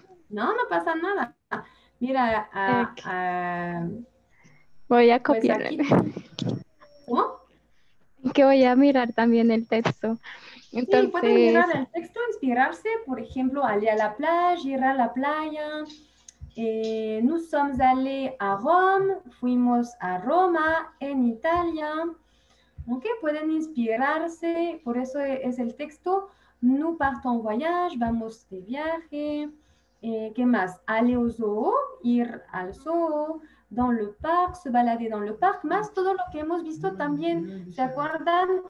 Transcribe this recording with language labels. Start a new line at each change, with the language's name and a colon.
Spanish: No pasa nada. Mira, voy a copiar. ¿Cómo? ¿En que voy a mirar también el texto. Entonces... Sí, pueden mirar el texto, inspirarse, por ejemplo,
French: aller a la plage,
Spanish: ir a la playa.
French: Nous sommes allés à Rome,
Spanish: fuimos a Roma, en Italia. Ok, pueden inspirarse, por eso es el texto.
French: Nous partons voyage,
Spanish: vamos de viaje. ¿Qué más?
French: Aller au zoo,
Spanish: ir al zoo.
French: Dans le parc, se balader dans le parc,
Spanish: más todo lo que hemos visto también, ¿se acuerdan?